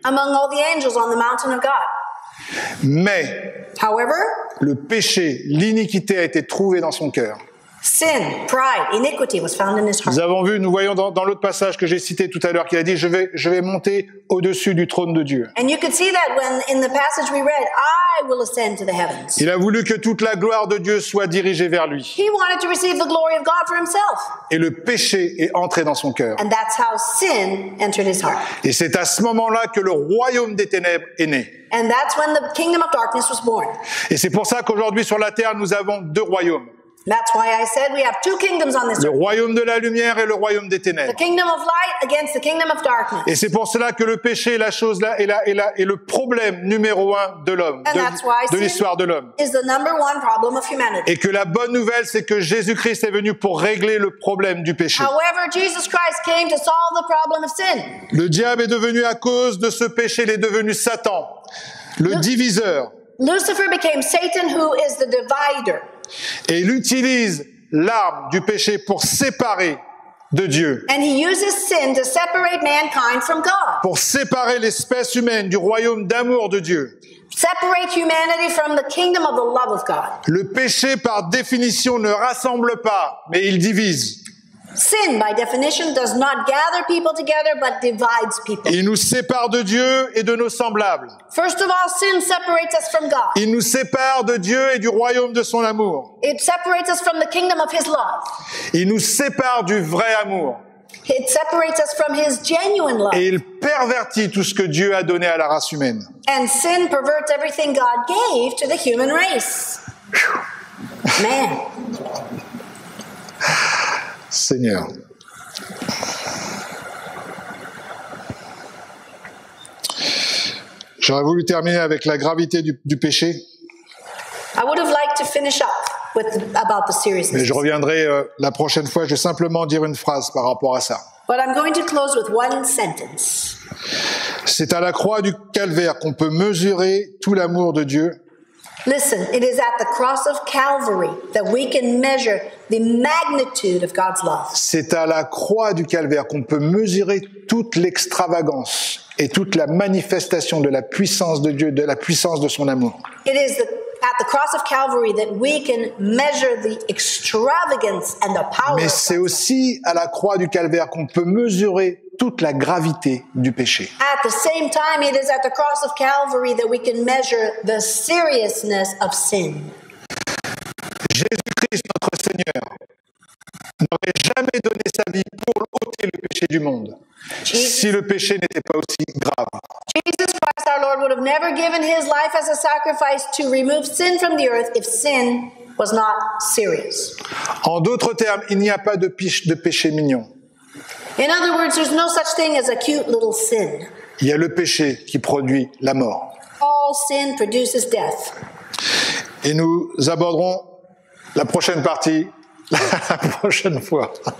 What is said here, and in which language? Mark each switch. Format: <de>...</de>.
<en>Among all the angels on the mountain of God.</en> <fr>Mais</fr> <en>however,</en> <fr>le péché, l'iniquité a été trouvé dans son cœur.</fr> <en>Sin, pride, iniquity was found in his heart.</en> <fr>Nous avons vu, nous voyons dans l'autre passage que j'ai cité tout à l'heure, qu'il a dit je vais monter au-dessus du trône de Dieu.</fr> <en>And you could see that when in the passage we read, I will ascend to the heavens.</en> <fr>Il a voulu que toute la gloire de Dieu soit dirigée vers lui.</fr> <en>He wanted to receive the glory of God for himself.</en> <fr>Et le péché est entré dans son cœur.</fr> <en>And that's how sin entered his heart.</en> <fr>Et c'est à ce moment-là que le royaume des ténèbres est né.</fr> <en>And that's when the kingdom of darkness was born.</en> <fr>Et c'est pour ça qu'aujourd'hui sur la terre nous avons deux royaumes.</fr> <en>That's why I said we have two kingdoms on this earth.</en> <fr>Le royaume de la lumière et le royaume des ténèbres.</fr> <en>The kingdom of light against the kingdom of darkness.</en> <fr>Et c'est pour cela que le péché est la chose là est le problème numéro un de l'homme, de l'histoire de l'homme.</fr> <en>Is the number one problem of humanity.</en> <fr>Et que la bonne nouvelle c'est que Jésus-Christ est venu pour régler le problème du péché.</fr> <en>However, Jesus Christ came to solve the problem of sin.</en> <fr>Le diable est devenu à cause de ce péché, il est devenu Satan, le diviseur.</fr> <en>Lucifer became Satan, who is the divider.</en> <fr>Et il utilise l'arme du péché pour séparer de Dieu.</fr> <en>And he uses sin to separate mankind from God.</en> <fr>Pour séparer l'espèce humaine du royaume d'amour de Dieu.</fr> <en>Separate humanity from the kingdom of the love of God.</en> <fr>Le péché, par définition, ne rassemble pas, mais il divise.</fr> <en>Sin, by definition, does not gather people together, but divides people.</en> <fr>Il nous sépare de Dieu et de nos semblables.</fr> <en>First of all, sin separates us from God.</en> <fr>Il nous sépare de Dieu et du royaume de son amour.</fr> <en>It separates us from the kingdom of his love.</en> <fr>Il nous sépare du vrai amour.</fr> <en>It separates us from his genuine love.</en> <fr>Et il pervertit tout ce que Dieu a donné à la race humaine.</fr> <en>And sin perverts everything God gave to the human race. Man.</en> <fr>Seigneur. J'aurais voulu terminer avec la gravité du péché.</fr> <en>I would have liked to finish up with about the seriousness.</en> <fr>Mais je reviendrai la prochaine fois, je vais simplement dire une phrase par rapport à ça.</fr> <en>But I'm going to close with one sentence.</en> <fr>C'est à la croix du calvaire qu'on peut mesurer tout l'amour de Dieu.</fr> <en>Listen, it is at the cross of Calvary that we can measure the magnitude of God's love.</en> <fr>C'est à la croix du calvaire qu'on peut mesurer toute l'extravagance et toute la manifestation de la puissance de Dieu, de la puissance de son amour.</fr> <en>It is at the cross of Calvary that we can measure the extravagance and the power.</en> <fr>Mais c'est aussi à la croix du calvaire qu'on peut mesurer toute la gravité du péché.</fr> <en>At the same time, it is at the cross of Calvary that we can measure the seriousness of sin.</en> <fr>Jésus-Christ, notre Seigneur, n'aurait jamais donné sa vie pour ôter le péché du monde si le péché n'était pas aussi grave.</fr> <en>Jesus Christ, our Lord, would have never given his life as a sacrifice to remove sin from the earth if sin was not serious.</en> <fr>En d'autres termes, il n'y a pas de péché mignon.</fr> <en>In other words, there's no such thing as a cute little sin.</en> <fr>Il y a le péché qui produit la mort.</fr> <en>All sin produces death.</en> <fr>Et nous aborderons la prochaine partie la prochaine fois.</fr>